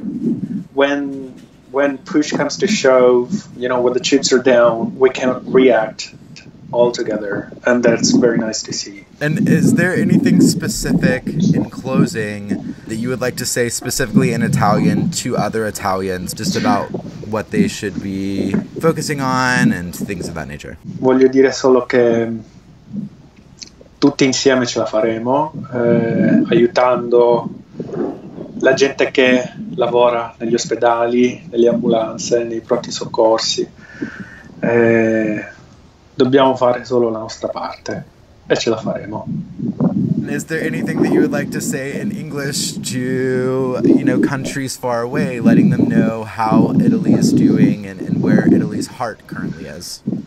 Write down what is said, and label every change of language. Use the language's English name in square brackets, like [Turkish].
[English] When push comes to shove, you know, when the chips are down, we can react all together, and that's very nice to see. And is there anything specific in closing that you would like to say specifically in Italian to other Italians, just about what they should be focusing on and things of that nature? [Italian] Voglio dire solo che tutti insieme ce la faremo, aiutando la gente che lavora negli ospedali, nelle ambulanze, nei pronti soccorsi. Dobbiamo fare solo la nostra parte e ce la faremo. [English] Is there anything that you would like to say in English to, you know, countries far away, letting them know how Italy is doing and where Italy's heart currently is?